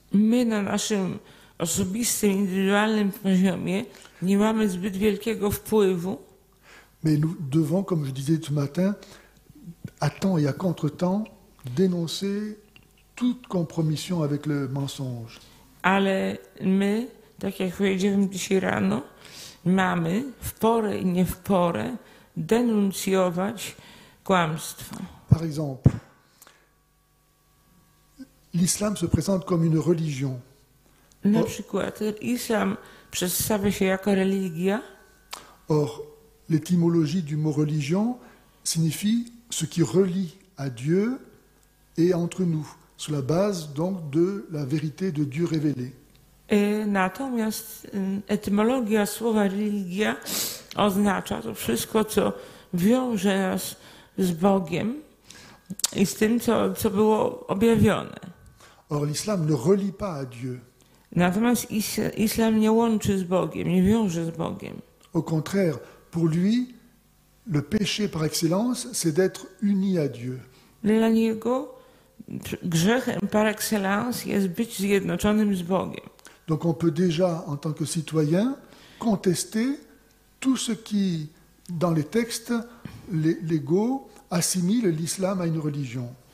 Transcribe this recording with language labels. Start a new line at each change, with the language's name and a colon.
Polish: My na naszym osobistym, indywidualnym poziomie nie mamy zbyt wielkiego wpływu.
French: Mais nous devons, comme je disais ce matin, à temps et à contre-temps, dénoncer toute compromission avec le mensonge.
Polish: Ale my, tak jak powiedziałem dzisiaj rano, mamy w porę i nie w porę denuncjować kłamstwo.
French: Par exemple, l'islam se présente comme une religion.
Polish: Na przykład, islam przedstawia się jako religia.
French: Or, l'étymologie du mot religion signifie ce qui relie à Dieu et entre nous, sur la base donc de la vérité de Dieu révélée.
Polish: Natomiast etymologia słowa religia oznacza to wszystko, co wiąże nas z Bogiem i z tym, co było objawione.
French: Or, l'islam ne relie pas à Dieu.
Polish: Natomiast islam nie łączy z Bogiem, nie wiąże z Bogiem.
French: Au contraire, pour lui, le péché par excellence, c'est d'être uni à Dieu.
Polish: Dla niego grzechem par excellence jest być zjednoczonym z Bogiem.
French: Donc on peut déjà en tant que citoyen contester tout ce qui dans les textes l'ego assimile l'islam à une religion.